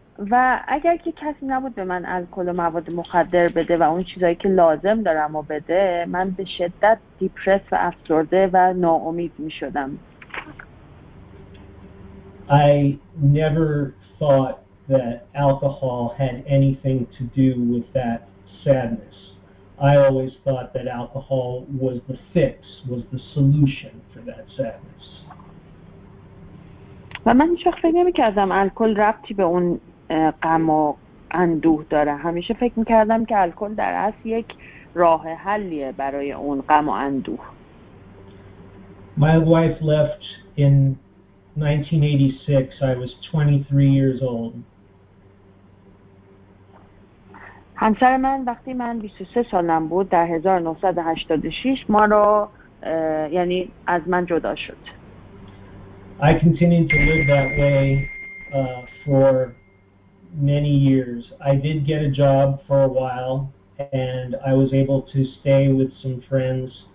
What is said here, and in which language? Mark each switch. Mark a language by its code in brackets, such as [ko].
[fa] و اگر که کسی نبود به من الکل و مواد مخدر بده و اون چیزایی که لازم دارم و بده، من به شدت دیپرس و افسرده و ناامید می شدم. [en] I never thought that alcohol had anything to do with that sadness. I always thought that alcohol was the fix, was the solution for that sadness. [fa] و من شخص فکر نمی کردم الکل ربطی به اون غم و اندوه داره. همیشه فکر میکردم که الکل در اصل یک راه حلیه برای اون غم و اندوه. [en] My wife left in 1986. I was 23 years old. [fa] همسر من وقتی من 23 سالم بود در 1986 ما رو یعنی از من جدا شد. [en] I continued to live that way for many years. I did get a job for a while and I was able to stay with some friends.